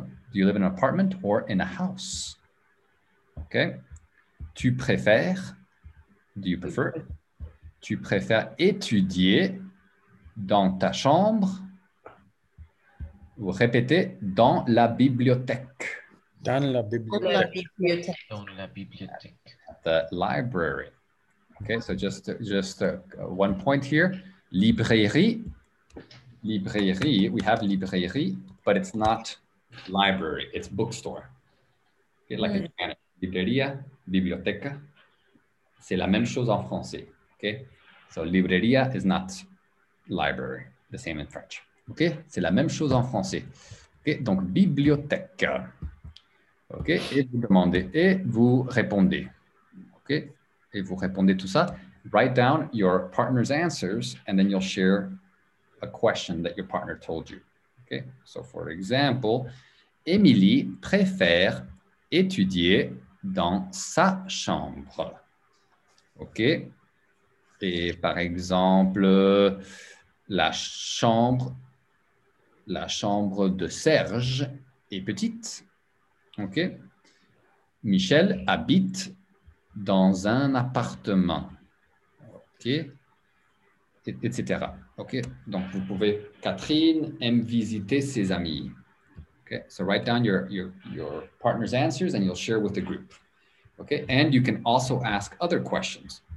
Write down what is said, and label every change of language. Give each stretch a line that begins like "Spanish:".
English: Do you live in an apartment or in a house? OK.
French: Tu préfères,
English: do you prefer?
French: Tu préfères étudier dans ta chambre ou répéter dans la bibliothèque? Dans la bibliothèque.
English: The library. Okay, so just one point here. Librairie, we have librairie, but it's not library, it's bookstore. Okay, like in Spanish, librería, biblioteca.
French: C'est la même chose en français,
English: okay? So librería is not library, the same in French.
French: Okay, c'est la même chose en français. Okay, donc bibliothèque. Okay, et vous demandez, et vous répondez. Okay. Et vous répondez tout ça.
English: Write down your partner's answers and then you'll share a question that your partner told you. Okay. So for example,
French: Emily préfère étudier dans sa chambre.
English: Okay.
French: Et par exemple, la chambre de Serge est petite. Okay. Michel habite dans un appartement, OK, etc. OK, donc vous pouvez, Catherine aime visiter ses amis.
English: OK, so write down your partner's answers and you'll share with the group. OK, and you can also ask other questions.